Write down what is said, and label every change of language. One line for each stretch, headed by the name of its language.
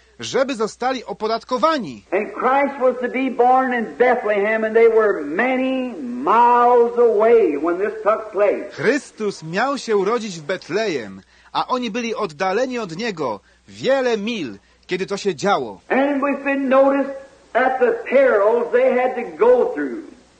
Polish: żeby zostali opodatkowani.
English: And Christ was to be born in Bethlehem, and they were many miles away when this took place.
Polish: Chrystus miał się urodzić w Betlejem, a oni byli oddaleni od Niego wiele mil, kiedy to się działo.
English: And we've been noticed at the perils they had to go through.